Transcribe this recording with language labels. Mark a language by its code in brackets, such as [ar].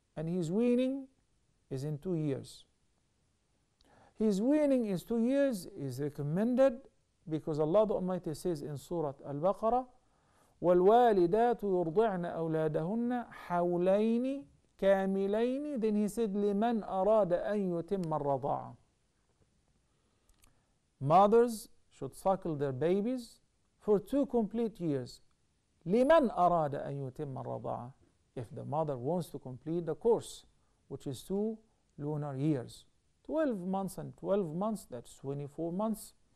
[en] And his weaning is in 2 years. His weaning is 2 years is recommended because Allah the Almighty says in Surah Al-Baqarah, [ar] وَالْوَالِدَاتُ يُرْضِعْنَ أَوْلَادَهُنَّ حَوْلَيْنِ كَامِلَيْنِ. [en] Then he said, [ar] لِمَنْ أَرَادَ أَنْ يُتِمَّ الرَّضَاعَ. [en] Mothers should suckle their babies for 2 complete years. [ar] لِمَنْ أَرَادَ أَنْ يُتِمَّ الرَّضَاعَ. [en] If the mother wants to complete the course, which is 2 lunar years. 12 months and 12 months, that's 24 months.